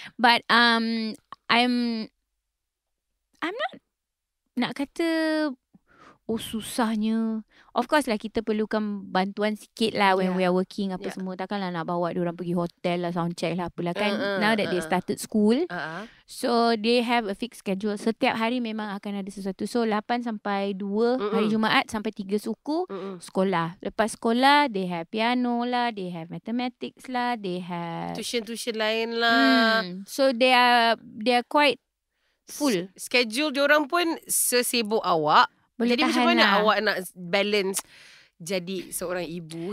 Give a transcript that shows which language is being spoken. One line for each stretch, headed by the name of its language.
English: But I'm not
Malay: nak kata oh susahnya.
English: Of course
Malay: lah, kita perlukan bantuan sikit lah
English: when we are working
Malay: apa semua. Takkanlah nak bawa diorang pergi hotel lah, sound check lah apalah kan.
English: Now that they started school, so they have a fixed schedule.
Malay: Setiap hari memang akan ada sesuatu. So 8 sampai 2 hari Jumaat sampai 3 suku sekolah. Lepas sekolah
English: they have piano lah, they have mathematics lah, they have
Malay: tuition-tuition lain lah.
English: So they are quite full.
Malay: Schedule diorang pun sesibuk awak. Boleh. Jadi macam mana lah awak nak balance jadi seorang ibu?